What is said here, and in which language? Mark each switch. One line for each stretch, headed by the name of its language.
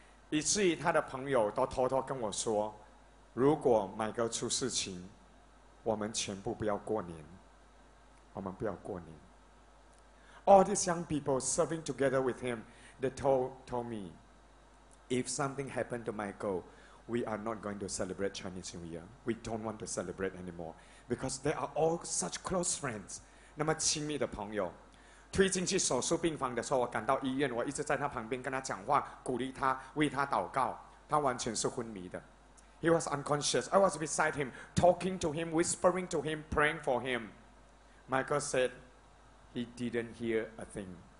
Chinese: 以至于他的朋友都偷偷跟我说，如果 Michael 出事情，我们全部不要过年，我们不要过年。
English: All these young people serving together with him, they told me, if something happened to Michael, we are not going to celebrate Chinese New Year. We don't want to celebrate anymore because they are all such close friends.
Chinese: 那么亲密的朋友，推进去手术病房的时候，我赶到医院，我一直在他旁边跟他讲话，鼓励他，为他祷告。他完全是昏迷的。
English: He was unconscious. I was beside him, talking to him, whispering to him, praying for him. Michael said he didn't hear a thing.